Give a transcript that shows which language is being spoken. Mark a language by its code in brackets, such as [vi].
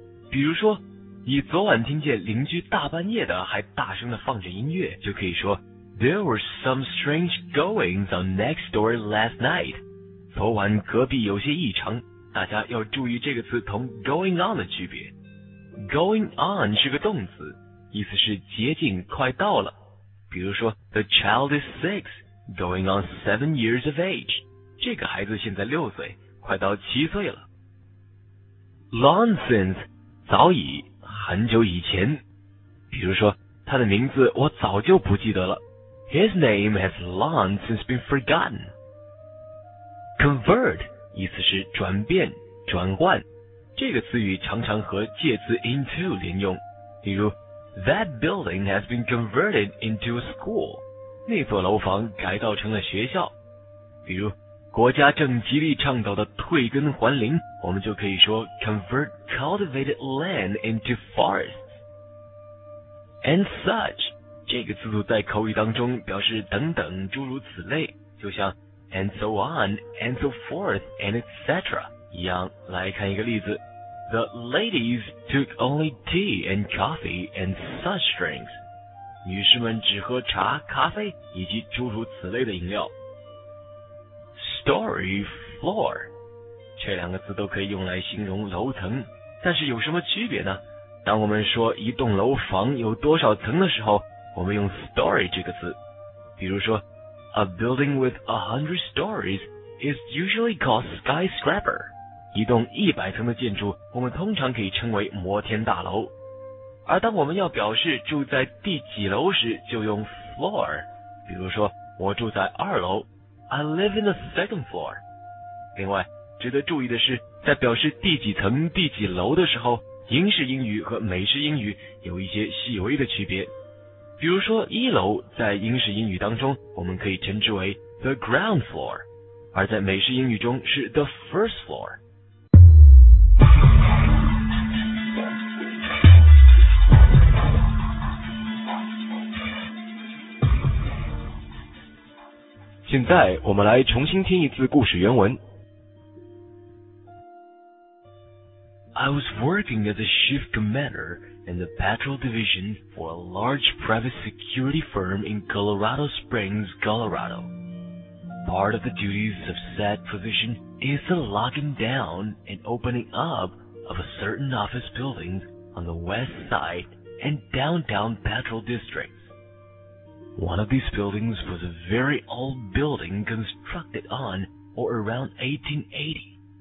[zh] 比如说，你昨晚听见邻居大半夜的还大声的放着音乐，就可以说 [en] There were some strange goings on next door last night. [zh] 昨晚隔壁有些异常，大家要注意这个词同 going on 的区别。 Going on 是个动词，意思是接近快到了。比如说 [en] The child is 6, going on 7 years of age. [zh] 这个孩子现在6岁，快到7岁了。Long since, 早已，很久以前。比如说他的名字我早就不记得了。 [en] His name has long since been forgotten. [zh] Convert, 意思是转变、转换。这个词语常常和介词 into 连用，例如 [en] That building has been converted into a school. [zh] 那座楼房改造成了学校。比如国家正极力倡导的退耕还林，我们就可以说 [en] convert cultivated land into forests. [zh] And such, 这个词组在口语当中表示等等诸如此类，就像 [en] and so on, and so forth, and etc. [zh] 一样。来看一个例子。 [en] The ladies took only tea and coffee and such drinks. [zh] 女士们只喝茶、咖啡以及诸如此类的饮料。 [en] Story floor. [zh] 这两个词都可以用来形容楼层，但是有什么区别呢？当我们说一栋楼房有多少层的时候，我们用 story 这个词。比如说 [en] A building with 100 stories is usually called skyscraper. [zh] 一栋100层的建筑，我们通常可以称为摩天大楼。而当我们要表示住在第几楼时，就用 floor。比如说，我住在二楼 ， [en] I live in the second floor。 [zh] 另外，值得注意的是，在表示第几层、第几楼的时候，英式英语和美式英语有一些细微的区别。比如说，一楼在英式英语当中，我们可以称之为 the ground floor， 而在美式英语中是 the first floor。现在我们来重新听一次故事原文。 [en] I was working as a shift commander in the patrol division for a large private security firm in Colorado Springs, Colorado. Part of the duties of said position is the locking down and opening up of a certain office building on the west side and downtown patrol districtOne of these buildings was a very old building constructed on or around 1880.